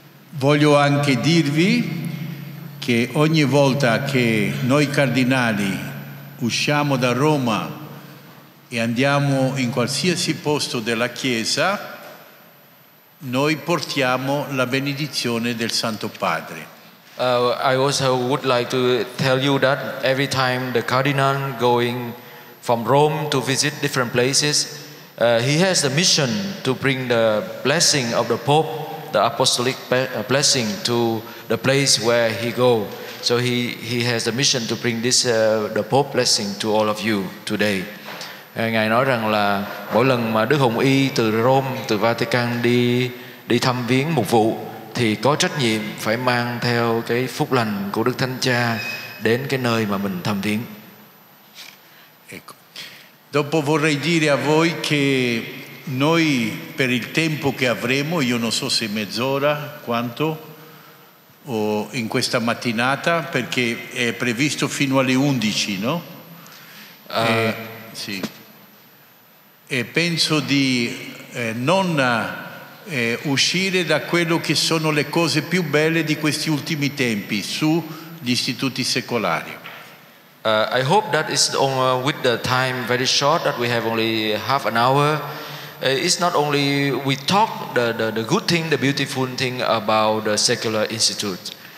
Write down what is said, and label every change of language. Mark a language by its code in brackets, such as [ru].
[it] Voglio anche dirvi che ogni volta che noi cardinali usciamo da Roma e andiamo in qualsiasi posto della Chiesa, noi portiamo la benedizione del Santo Padre. [en] I also would like to tell you that every time the cardinal going from Rome to visit different places, he has the mission to bring the blessing of the Pope, the apostolic blessing to the place where he go. So he has the mission to bring this the Pope blessing to all of you today. [vi] Ngài nói rằng là mỗi lần mà Đức Hồng Y từ Rome, từ Vatican đi thăm viếng mục vụ thì có trách nhiệm phải mang theo cái phúc lành của Đức Thánh Cha đến cái nơi mà mình thăm viếng. [it] Ecco. Dopo vorrei dire a voi che noi per il tempo che avremo, io non so se mezz'ora, quanto, o in questa mattinata, perché è previsto fino alle 11, no? Sì. E penso di non uscire da quello che sono le cose più belle di questi ultimi tempi sugli istituti secolari. [en] I hope that is on, with the time very short that we have only half an hour. It's not only we talk the good thing, the beautiful thing about the secular institute.